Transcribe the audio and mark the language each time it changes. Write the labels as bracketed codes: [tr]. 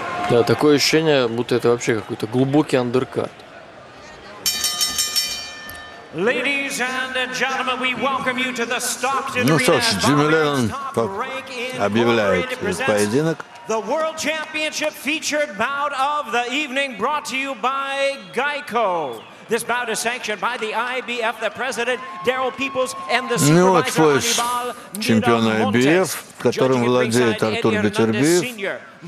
[ru] Да, такое ощущение, будто это вообще какой-то глубокий андеркат. Ну что ж, Джимми Леннон объявляет поединок. [en] The World Championship featured bout of the evening brought to you by Geico. This bout is sanctioned by the IBF, the president Daryl Peoples and the supervisor of the ball, Nita Montes. [ru] Которым владеет Артур Бетербиев.